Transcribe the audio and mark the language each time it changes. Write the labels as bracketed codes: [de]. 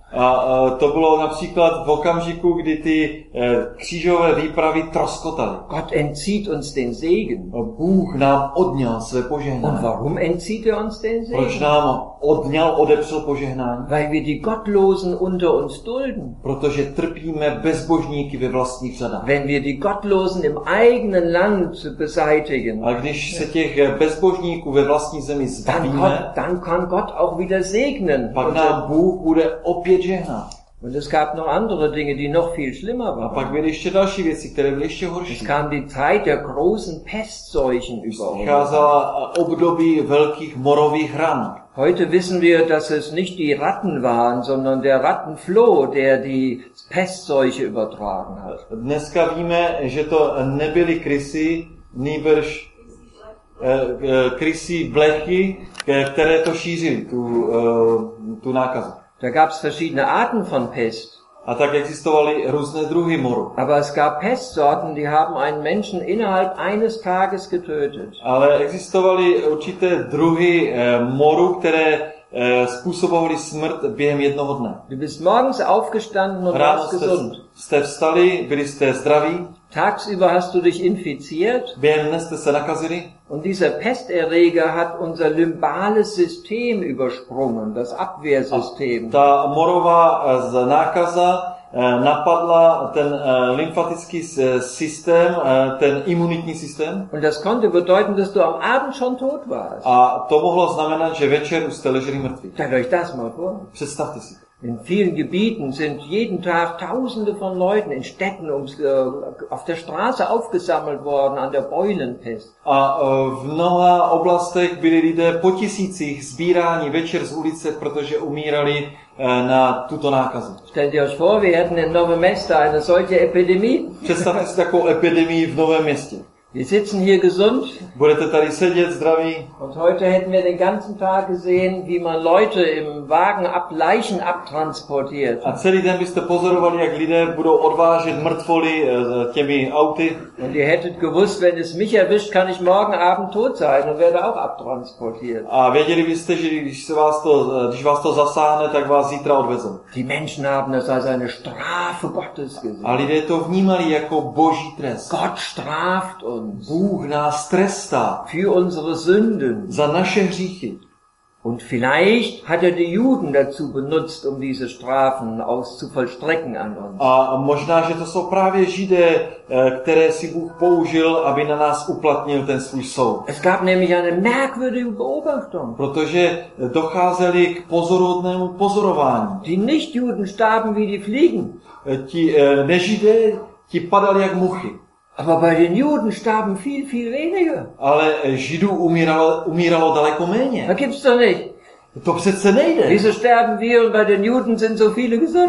[cs] A to bylo například v okamžiku, kdy ty křížové výpravy troskotaly. [de] Gott entzieht uns den Segen. [cs] Bůh nám odňal své požehnání. [de] Und warum entzieht er uns den Segen? [cs] Proč nám odňal, odepřel požehnání? [de] Weil wir die Gottlosen unter uns dulden. [cs] Protože trpíme bezbožníky ve vlastních řadách. [de] Wenn wir die Gottlosen im eigenen Land beseitigen. [cs] A když se těch bezbožníků ve vlastní zemi zbavíme, [de] dann kann Gott auch wieder segnen. [cs] Pak nám Bůh bude opět žehnat. [de] Und es gab noch andere Dinge, die noch viel schlimmer waren. [cs] A pak byly ještě další věci, které byly ještě horší. [de] Es kam die Zeit der großen Pestseuchen über uns. [cs] Přicházela období velkých morových ran. [de] Heute wissen wir, dass es nicht die Ratten waren, sondern der Rattenfloh, der die Pestseuche übertragen hat. [cs] Dneska víme, že to nebyly krysy, nýbrž krysí blechy, které to šířily, tu nákazu. [de] Da gab es verschiedene Arten von Pest. [cs] A tak existovaly různé druhy moru. [de] Aber es gab Pestsorten, die haben einen Menschen innerhalb eines Tages getötet. [cs] Ale existovaly určité druhy moru, které způsobovaly smrt během jednoho dne. [de] Du bist morgens aufgestanden und warst gesund. [cs] Jste vstali, byli jste zdraví. [de] Tagsüber hast du dich infiziert. [cs] Během dne jste se nakazili. [de] Und dieser Pesterreger hat unser lymphales System übersprungen, das Abwehrsystem. [cs] Ta morová nákaza napadla ten lymfatický systém, ten imunitní systém. [de] Und das konnte bedeuten, dass du am Abend schon tot warst. [cs] A to mohlo znamenat, že večer už jste leželi mrtví. [de] Stell euch das mal vor. [cs] Představte si. [de] In vielen Gebieten sind jeden Tag tausende von Leuten in Städten auf der Straße aufgesammelt worden an der Beulenpest. [cs] A v mnoha oblastech byli lidé po tisících sbíráni večer z ulice, protože umírali na tuto nákazu. [de] Stellt ihr euch vor, wir hätten in Novem Mesta eine solche Epidemie? [cs] Představte si takovou epidemii v Novém Městě. [de] Wir sitzen hier gesund. [cs] Budete tady sedět zdraví. [de] Und heute hätten wir den ganzen Tag gesehen, wie man Leute im Wagen Leichen abtransportiert. [cs] A celý den byste pozorovali, jak lidé budou odvážet mrtvoly těmi auty. [de] Und ihr hättet gewusst, wenn es mich erwischt, kann ich morgen Abend tot sein und werde auch abtransportiert. [cs] A věděli byste, že když vás to zasáhne, tak vás zítra odvezou. [de] Die Menschen haben das als eine Strafe Gottes gesehen. [cs] A lidé to vnímali jako boží trest. [de] Gott straft uns. [cs] Bůh nás trestá. [de] Für unsere Sünden. [cs] Za naše hříchy. [de] Und vielleicht hat er die Juden dazu benutzt, um diese Strafen auszuvollstrecken an uns. [cs] A možná, že to jsou právě Židé, které si Bůh použil, aby na nás uplatnil ten svůj soud. [de] Es gab nämlich eine merkwürdige Beobachtung. [cs] Protože docházeli k pozoruhodnému pozorování. [de] Die Nichtjuden starben wie die Fliegen. [cs] Ti nežidé, ti padali jak muchy. [de] Aber bei den Juden starben viel, viel weniger. [cs] Ale Židů umíralo daleko méně. [de] Da gibt's doch nicht. [cs] To přece nejde. [de] Wieso sterben wir und bei den Juden sind so viele gesund?